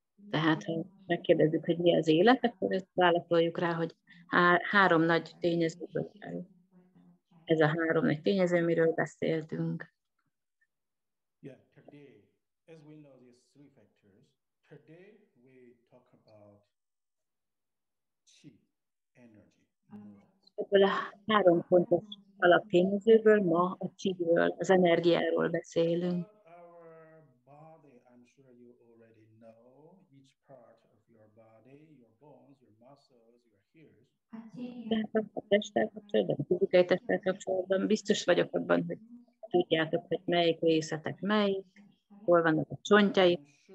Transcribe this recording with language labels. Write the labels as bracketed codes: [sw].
[hu] Tehát, ha megkérdezzük, hogy mi az élet, akkor ezt válaszoljuk rá, hogy három nagy tényezőből kell. Ez a három nagy tényező, miről beszéltünk. [en] Yeah, today, as we know these three factors, Today we talk about chi energy. [hu] Ebből a három pontos alaptényezőből ma a chi-ről, az energiáról beszélünk. [en] Our body, I'm sure you already know, each part of your body, your bones, your muscles, your hairs. [hu] Tehát a testtel kapcsolatban, a fizikai testtel kapcsolatban biztos vagyok abban, hogy tudjátok, hogy melyik részletek melyik, hol vannak a csontjai.